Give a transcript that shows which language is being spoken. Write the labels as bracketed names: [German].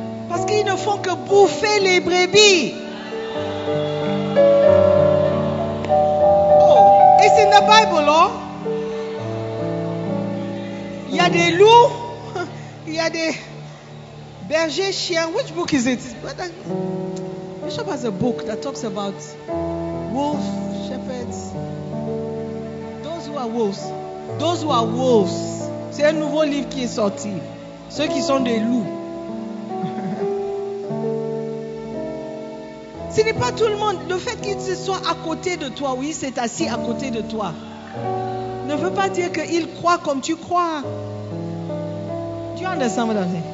[French] Parce qu'ils ne font que bouffer les brebis. [English] Oh, it's in the Bible, hein? [French] Il y a des loups, il y a des bergers chiens. [English] Which book is it? Bishop has a book that talks about wolves, shepherds, those who are wolves. Those who are wolves. [French] C'est un nouveau livre qui est sorti. Ceux qui sont des loups. Ce n'est pas tout le monde. Le fait qu'il se soit à côté de toi, oui, c'est assis à côté de toi, ne veut pas dire qu'il croit comme tu crois. Tu entends, madame?